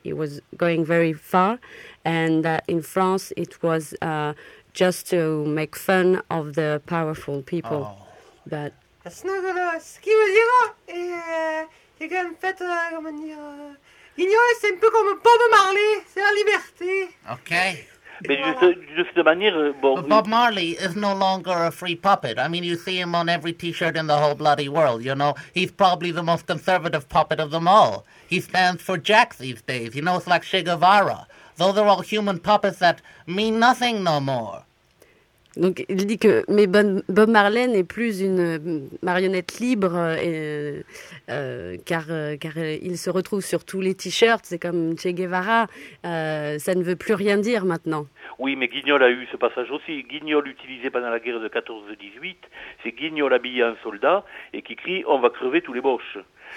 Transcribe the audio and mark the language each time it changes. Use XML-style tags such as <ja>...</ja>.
<en>He was going very far, and in France it was just to make fun of the powerful people, but.</en> <fr>Ce qui veut dire, c'est qu'en fait, comment dire, Guignol, c'est un peu comme Bob Marley, c'est la liberté. Ok. Mais voilà. De manière, bon.</fr> <en>But Bob Marley is no longer a free puppet. I mean, you see him on every t-shirt in the whole bloody world, you know. He's probably the most conservative puppet of them all. He stands for Jack these days, you know, it's like Che Guevara. Though they're all human puppets that mean nothing no more.</en> <fr>Donc il dit que mais Bob Marley n'est plus une marionnette libre car il se retrouve sur tous les t-shirts, c'est comme Che Guevara, ça ne veut plus rien dire maintenant. Oui, mais Guignol a eu ce passage aussi. Guignol utilisé pendant la guerre de 14-18, c'est Guignol habillé en soldat et qui crie « on va crever tous les boches ».</fr>